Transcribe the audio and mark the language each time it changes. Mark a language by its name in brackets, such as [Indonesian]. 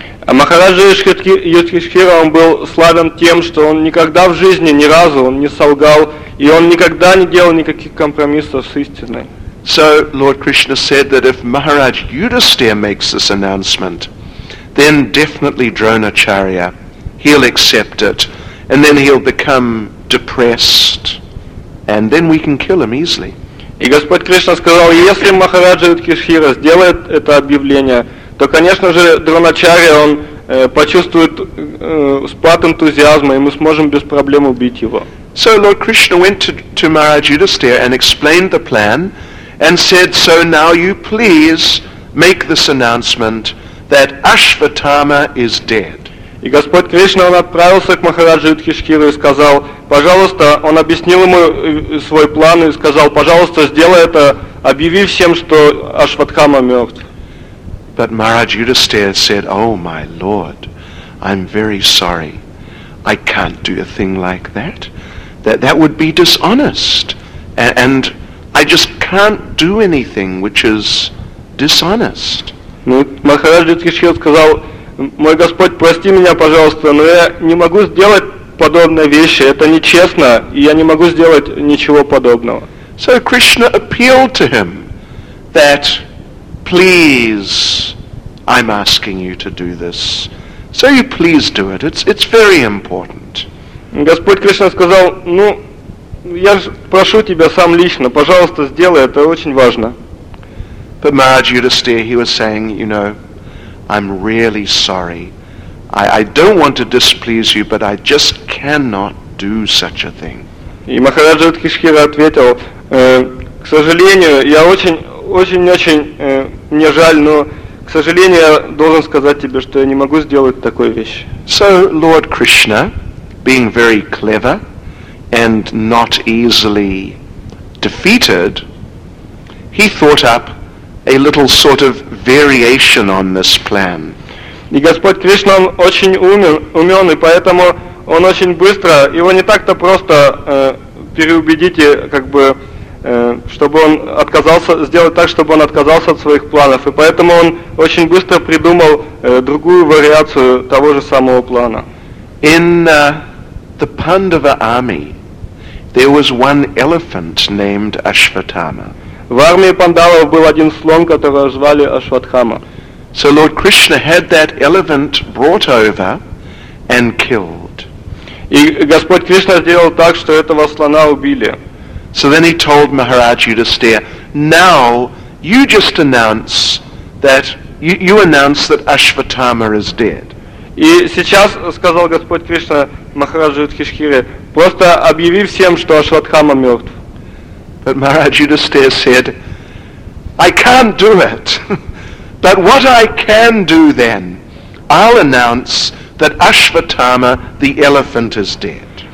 [Russian] А Махараджа Юдхишхира, он был славен тем, что он никогда в жизни, ни разу, он не солгал, и он никогда не делал никаких компромиссов с истиной. [English] So Lord Krishna said that if Maharaj Yudhisthira makes this announcement, then definitely Dronacharya, he'll accept it, and then he'll become depressed, and then we can kill him easily. [Russian] И Господь Кришна сказал, если Махараджа Юдхишхира сделает это объявление, то, конечно же, Дроначарья, он почувствует спад энтузиазма, и мы сможем без проблем убить его. [English] So Lord Krishna went to Maharaj Yudhisthira and explained the plan, and said, so now you please make this announcement that Ashvatthama is dead. [Russian] И Господь Кришна, он отправился к Махараджу Юдхишхиру и сказал, пожалуйста, он объяснил ему свой план и сказал, пожалуйста, сделай это, объяви всем, что Ашватхама мертв. [English] But Maharaj Yudhisthira said, oh my lord, I'm very sorry. I can't do a thing like that. That would be dishonest. And I just can't do anything which is dishonest. [Russian] Ну, Махараджа Юдхишхира сказал, мой Господь, прости меня, пожалуйста, но я не могу сделать подобные вещи, это нечестно, и я не могу сделать ничего подобного. [English] So Krishna appealed to him that, please, I'm asking you to do this. So you please do it, it's very important. [Russian] Господь Кришна сказал, ну, я прошу тебя сам лично, пожалуйста, сделай, это очень важно. [English] But Maharaj Yudhisthira, he was saying, you know, I'm really sorry. I don't want to displease you, but I just cannot do such a thing. [Russian] И Махараджа Юдхишхира ответил, к сожалению, я очень-очень мне жаль, но, к сожалению, я должен сказать тебе, что я не могу сделать такую вещь. [English] So Lord Krishna, being very clever and not easily defeated, he thought up a little sort of variation on this plan. [Russian] И Господь Кришна, он очень умен, и поэтому он очень быстро, его не так-то просто переубедить, как бы, чтобы он отказался, сделать так, чтобы он отказался от своих планов. И поэтому он очень быстро придумал другую вариацию того же самого плана. [English] In the Pandava army, there was one elephant named Ashvatthama. [Russian] В армии пандавов был один слон, которого звали Ашватхама. [English] So Lord Krishna had that elephant brought over and killed. [Russian] И Господь Кришна сделал так, что этого слона убили. [English] So then he told Maharaj Yudhisthira, now you just announce that you announce that Ашватхама is dead. [Russian] И сейчас сказал Господь Кришна Махараджу Юдхишхире, просто объяви всем, что Ашватхама мертв. [English] But Maharaj Yudhisthira said, I can't do it. But what I can do then, I'll announce that Ashvatthama, the elephant, is dead.